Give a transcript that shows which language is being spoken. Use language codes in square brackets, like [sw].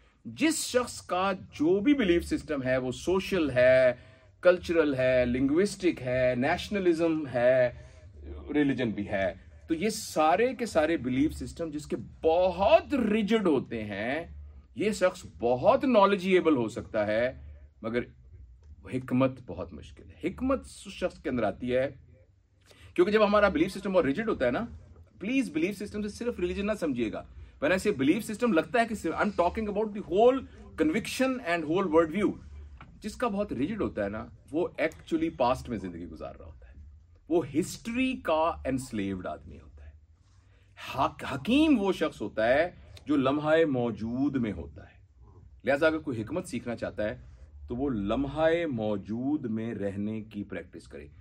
[ur] جس شخص کا جو بھی بلیف سسٹم ہے, وہ سوشل ہے, کلچرل ہے, لنگوسٹک ہے, نیشنلزم ہے, ریلیجن بھی ہے, تو یہ سارے کے سارے بلیف سسٹم جس کے بہت ریجڈ ہوتے ہیں, یہ شخص بہت نالجیبل ہو سکتا ہے, مگر حکمت بہت مشکل ہے. حکمت اس شخص کے اندر آتی ہے کیونکہ جب ہمارا بلیف سسٹم بہت ریجڈ ہوتا ہے نا, پلیز بلیف سسٹم سے صرف ریلیجن نہ سمجھیے گا. [en] When I say belief system, [ur] لگتا ہے کہ [en] I'm talking about the whole conviction and whole world view. [ur] جس کا بہت ریجڈ ہوتا ہے نا وہ ایکچولی پاسٹ میں زندگی گزار رہا ہوتا ہے, وہ ہسٹری کا انسلیوڈ آدمی ہوتا ہے. حکیم وہ شخص ہوتا ہے جو لمحہ موجود میں ہوتا ہے. لہذا اگر کوئی حکمت سیکھنا چاہتا ہے تو وہ لمحہ موجود میں رہنے کی پریکٹس کرے.